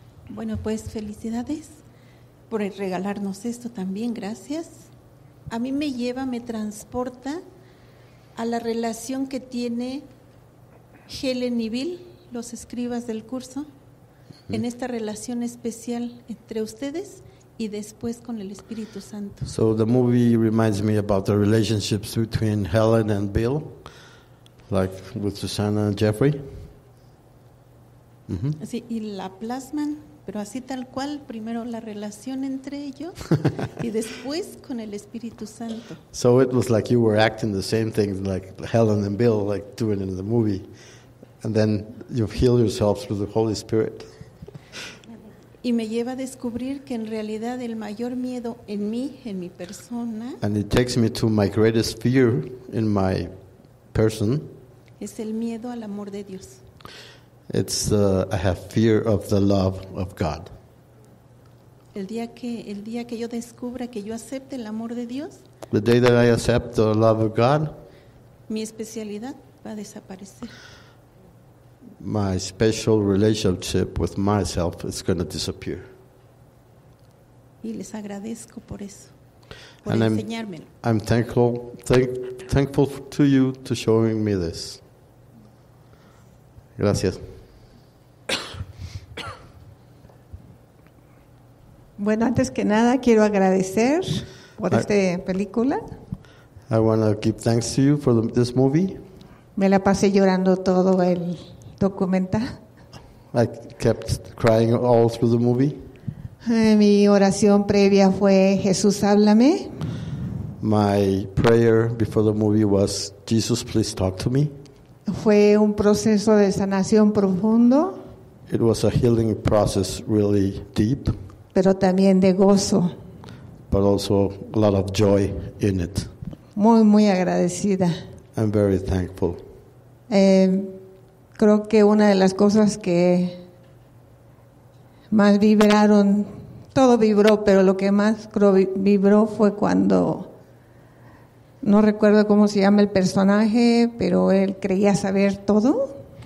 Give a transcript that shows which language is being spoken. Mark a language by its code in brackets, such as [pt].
[es] Bueno, pues felicidades por regalarnos esto también, gracias. A mí me lleva, me transporta a la relación que tiene Helen y Bill, los escribas del curso, en esta relación especial entre ustedes y después con el Espíritu Santo. [en] So the movie reminds me about the relationships between Helen and Bill, like with Susana and Jeffrey. [es] Mm-hmm. Sí, y la plasman. Pero así tal cual, primero la relación entre ellos y después con el Espíritu Santo. [en] So it was like you were acting the same things like Helen and Bill, like doing in the movie. And then you heal yourself through the Holy Spirit. [es] Y me lleva a descubrir que en realidad el mayor miedo en mí, en mi persona. [en] And it takes me to my greatest fear in my person. [es] Es el miedo al amor de Dios. [en] It's I have fear of the love of God. [es] El día que yo descubra que yo acepte el amor de Dios, [en] the day that I accept the love of God, [es] mi especialidad va a desaparecer. [en] My special relationship with myself is going to disappear. [es] Y les agradezco por eso, por and enseñármelo. [en] I'm thankful to you to showing me this. [es] Gracias. Bueno, antes que nada quiero agradecer por esta película. [en] I want to give thanks to you for this movie. [es] Me la pasé llorando todo el documental. [en] I kept crying all through the movie. [es] Mi oración previa fue Jesús, háblame. [en] My prayer before the movie was Jesus, please talk to me. [es] Fue un proceso de sanación profundo. [en] It was a healing process really deep. [es] Pero también de gozo. [en] But also a lot of joy in it. [es] Muy, muy agradecida. [en] I'm very thankful. [es] Creo que una de las cosas que más vibraron, todo vibró, pero lo que más creo vibró fue cuando, no recuerdo cómo se llama el personaje, pero él creía saber todo.